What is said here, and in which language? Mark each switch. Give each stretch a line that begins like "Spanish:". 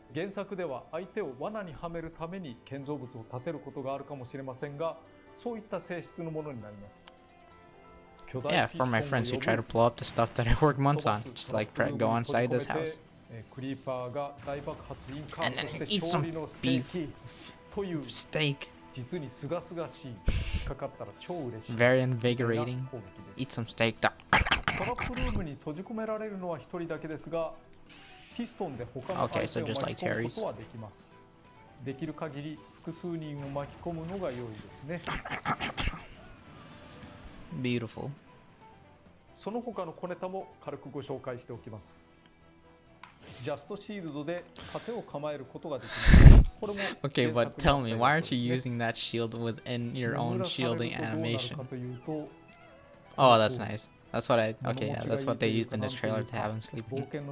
Japanese: 原作では相手を罠にはめるために建造物を建てることがあるかもしれませんが、そういった性質のものになります。巨大
English: yeah, for my friends who try to blow up the stuff that I work months on, just like go inside this house.
Japanese: クリーパーが大爆発引火、
English: and then he eats some beef
Japanese: という
English: steak.
Japanese: 実にすがすがしい。かかったら超嬉しい。
English: Very invigorating. Eat some steak.
Japanese: トラップルームに閉じ込められるのは一人だけですが。ピストンで他の相手を巻き込むことはできます。できる限り複数人を巻き込むのが良いですね。
English: Beautiful.
Japanese: その他の小ネタも軽くご紹介しておきます。ジャストシールドで盾を構えることができます。これも原作にあったりそうですね。
English: Okay, but tell me, why aren't you using that shield within your own shielding animation? Oh, that's nice. That's what I okay, yeah, that's what they used in this trailer to have him sleeping.